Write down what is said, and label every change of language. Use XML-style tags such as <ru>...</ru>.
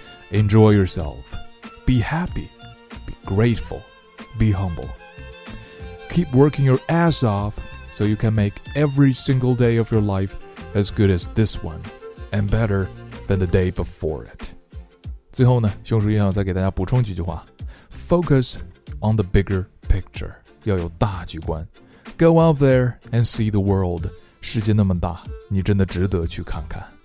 <en>Enjoy yourself. Be happy, be grateful, be humble. Keep working your ass off so you can make every single day of your life as good as this one and better than the day before it.</en> <zh>最后呢，熊叔也想再给大家补充几句话。</zh> <en>Focus on the bigger picture,</en> <zh>要有大局观。</zh> <en>Go out there and see the world,</en> <zh>世界那么大，你真的值得去看看。</zh>